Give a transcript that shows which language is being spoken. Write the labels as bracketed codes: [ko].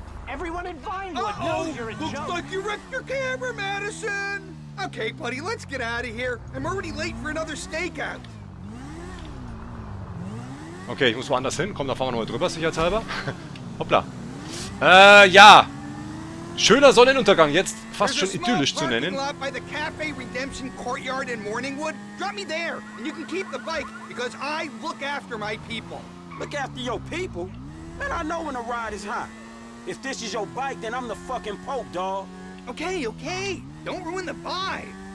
[en] Everyone in Vinewood knows you're a joke. Looks like you wrecked your camera, Madison. Okay, buddy, let's get out of here. I'm already late for another stakeout. [de] Okay, ich muss woanders hin. Komm, da fahren wir nochmal drüber, sicherheitshalber. Hoppla. Ja. Schöner Sonnenuntergang, jetzt fast schon idyllisch zu nennen. [en] By the Cafe Redemption Courtyard in Morningwood. Drop me there, and you can keep the bike, because I look after my people. Look after your people? Man, I know when a ride is hot. If this is your bike, then I'm the fucking Pope, dawg. Okay, okay. Don't ruin the vibe.